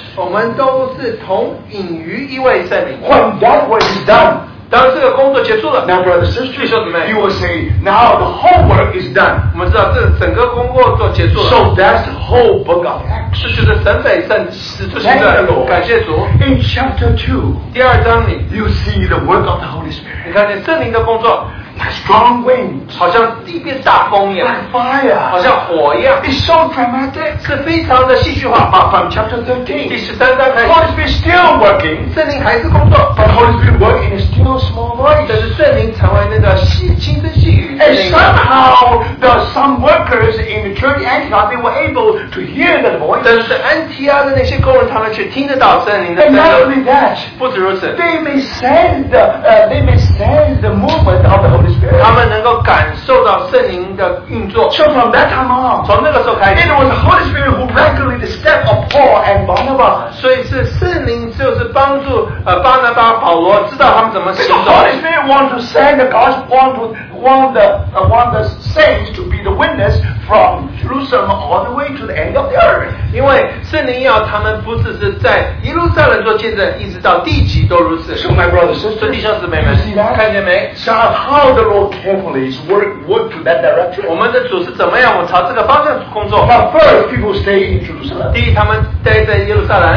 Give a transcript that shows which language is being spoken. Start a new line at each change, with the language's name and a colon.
Chinese: 我们都是同饮于一位圣灵。
English: When that was done,
Chinese: 当这个工作结束了,
English: now, brothers and sisters,
Chinese: 弟兄姊妹,
English: you will say, now the whole work is done.
Chinese: 我们知道这整个工作结束了。
English: So that's the whole book of Acts.
Chinese: 是就是神北圣使徒行传。感谢主。
English: In chapter 2,
Chinese: 第二章里,
English: you see the work of the Holy Spirit.
Chinese: 你看见圣灵的工作,
English: like strong wind,
Chinese: 好像地变大风一样,
English: like fire,
Chinese: 好像火一样,
English: it's so dramatic,
Chinese: 是非常的戏剧化。
English: But from chapter 13,
Chinese: 第十三章开始,
English: Holy Spirit still working,
Chinese: 圣灵还是工作,
English: but Holy Spirit working is still small voice,
Chinese: 但是圣灵成为那个细轻声细语,
English: and somehow the some workers in the church Antioch, they were able to hear the voice,
Chinese: 但是安提亚的那些工人, 他们却听得到圣灵的声音。
English: And not only that,
Chinese: 不止如此,
English: they may send the movement of the Holy Spirit.
Chinese: 他们能够感受到圣灵的运作。
English: So from that time on,
Chinese: 从那个时候开始,
English: it was the Holy Spirit who regulated the step of Paul and Barnabas.
Chinese: 所以是圣灵就是帮助 巴拿巴保罗, 知道他们怎么行动。
English: The Holy Spirit wants to send the gospel, want the saints to be the witness from Jerusalem all the way to the end of the earth.
Chinese: 因为圣灵要他们不只是在耶路撒冷做见证，一直到地极都如此。
English: So my brothers and sisters,
Chinese: 弟兄姊妹们，看见没？
English: So how the Lord carefully is work to that direction.
Chinese: 我们的主是怎么样？我朝这个方向工作。
English: Now first, people stay in Jerusalem.
Chinese: 第一，他们待在耶路撒冷。